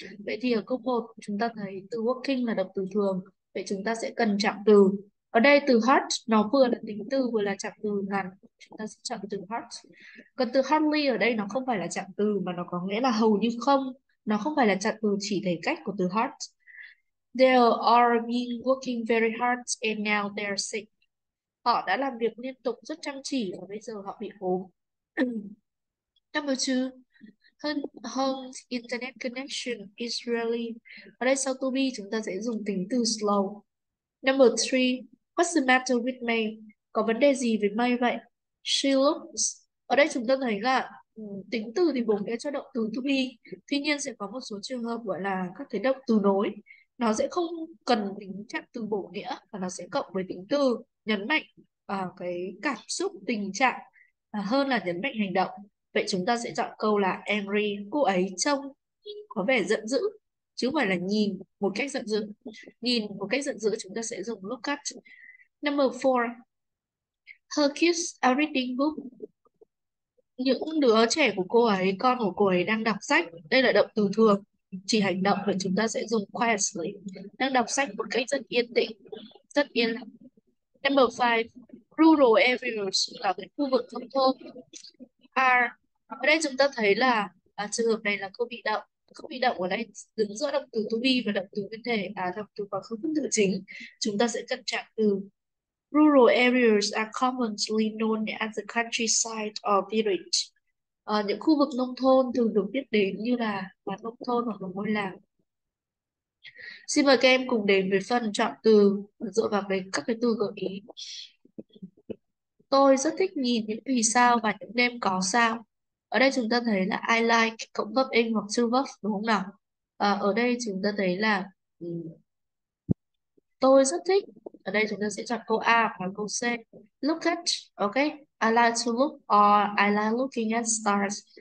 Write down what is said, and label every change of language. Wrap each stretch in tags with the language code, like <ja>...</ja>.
<vi>Vậy thì ở câu 1 chúng ta thấy từ working là động từ thường, vậy chúng ta sẽ cần trạng từ. Ở đây từ hot nó vừa là tính từ vừa là trạng từ ngắn, chúng ta sẽ chọn từ hot. Còn từ hardly ở đây nó không phải là trạng từ mà nó có nghĩa là hầu như không, nó không phải là trạng từ chỉ thể cách của từ hot.</vi> <en>They are been working very hard and now they're sick.</en> <vi>Họ đã làm việc liên tục rất chăm chỉ và bây giờ họ bị ốm.</vi> <en>Number 2, home internet connection is really.</en> <vi>Ở đây sau to be chúng ta sẽ dùng tính từ slow.</vi> <en>Number 3, what's the matter with May?</en> <vi>Có vấn đề gì với May vậy?</vi> <en>She looks.</en> <vi>Ở đây chúng ta thấy là tính từ thì bổ nghĩa cho động từ to be. Tuy nhiên sẽ có một số trường hợp gọi là các thế động từ nối. Nó sẽ không cần tính trạng từ bổ nghĩa và nó sẽ cộng với tính từ nhấn mạnh cái cảm xúc tình trạng hơn là nhấn mạnh hành động. Vậy chúng ta sẽ chọn câu là angry. Cô ấy trông có vẻ giận dữ chứ không phải là nhìn một cách giận dữ. Nhìn một cách giận dữ chúng ta sẽ dùng look at.</vi> <en>Number 4, her kids are reading book.</en> <vi>Những đứa trẻ của cô ấy, con của cô ấy đang đọc sách. Đây là động từ thường chỉ hành động và chúng ta sẽ dùng quietly, đang đọc sách một cách rất yên tĩnh, rất yên lặng.</vi> <en>Number 5, rural areas</en> <vi>là cái khu vực nông thôn. Are, ở đây chúng ta thấy là trường hợp này là câu bị động. Câu bị động ở đây đứng giữa động từ to be và động từ nguyên thể, động từ quá khứ phân tử chính. Chúng ta sẽ cần trạng từ.</vi> <en>Rural areas are commonly known as the countryside or village.</en> <vi>Những khu vực nông thôn thường được biết đến như là quán nông thôn hoặc là ngôi làng. Xin mời các em cùng đến với phần chọn từ dựa vào các cái từ gợi ý. Tôi rất thích nhìn những vì sao và những đêm có sao. Ở đây chúng ta thấy là</vi> <en>I like</en> <vi>cộng verb in hoặc to verb đúng không nào? Ở đây chúng ta thấy là tôi rất thích. Ở đây chúng ta sẽ chọn câu A và câu C.</vi> <en>Look at, okay. I like to look or I like looking at stars.</en>